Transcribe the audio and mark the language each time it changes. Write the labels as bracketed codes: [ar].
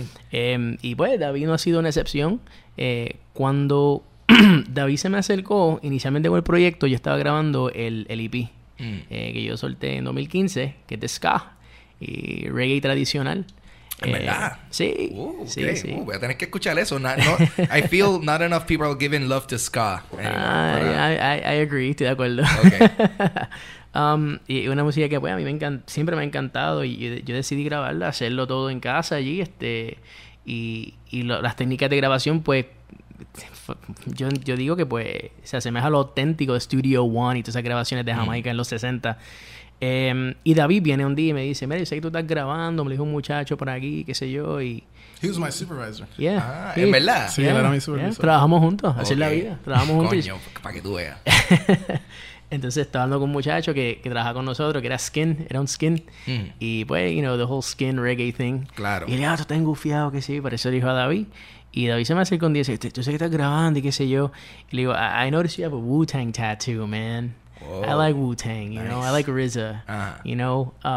[es] Y pues David no ha sido una excepción. Cuando David se me acercó inicialmente con el proyecto, yo estaba grabando el EP que yo solté en 2015, que es de ska y reggae tradicional. ¿En verdad? Sí. [en] Okay. [es] Sí. Voy a tener que escuchar eso. [en] No, I feel not enough people are giving love to ska. I agree. [es] Estoy de acuerdo. [en] Okay. [es] y una música que pues, a mí siempre me ha encantado. Y yo decidí grabarla, hacerlo todo en casa allí. Las técnicas de grabación, pues... Yo digo que pues se asemeja a lo auténtico de Studio One y todas esas grabaciones de Jamaica en los 60. Y David viene un día y me dice, mira, yo sé que tú estás grabando, me dijo un muchacho por aquí, qué sé yo, y... [en] He was my supervisor. Yeah. [es] Ah, sí. ¿En verdad? Sí, yeah, él era mi supervisor. Yeah. Trabajamos juntos, así es okay. la vida. Trabajamos juntos. Coño, para que tú veas. Entonces, estaba hablando con un muchacho que trabaja con nosotros, que era un skin. [en] Mm. [es] Y pues, [en] you know, the whole skin reggae thing. [es] Claro. Y le dije, tú estás engufiado, qué sé yo, y parece el hijo a David. Y David se me acercó un día y dice, yo sé que estás grabando y qué sé yo. Y le digo, [en] I noticed you have a Wu-Tang tattoo, man. Whoa. I like Wu-Tang, you know. I like RZA, you know.